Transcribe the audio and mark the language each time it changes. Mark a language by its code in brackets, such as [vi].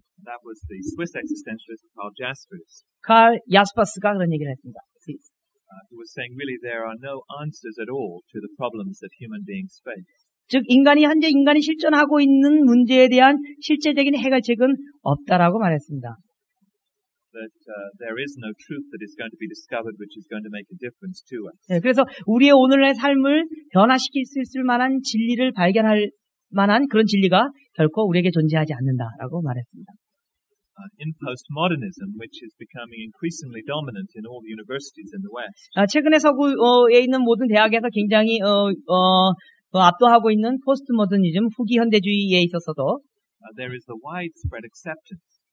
[en] That was the Swiss existentialist Karl Jaspers. [ko] Karl Jaspers가 그런 얘기를 했습니다. [en] He was saying really there are no answers at all to the problems that human beings face. [ko] 즉 인간이 현재 인간이 실존하고 있는 문제에 대한 실제적인 해결책은 없다라고 말했습니다. [en] That there is no truth that is going to be discovered, which is going to make a difference to us. [ko] 예, 그래서 우리의 오늘의 삶을 변화시킬 수 있을 만한 진리를 발견할 만한 그런 진리가 결코 우리에게 존재하지 않는다라고 말했습니다. [en] in postmodernism, which is becoming increasingly dominant in all the universities in the West. [ko] 최근에 서구에 있는 모든 대학에서 굉장히 압도하고 있는 포스트모더니즘 후기 현대주의에 있어서도 [en] there is the widespread acceptance.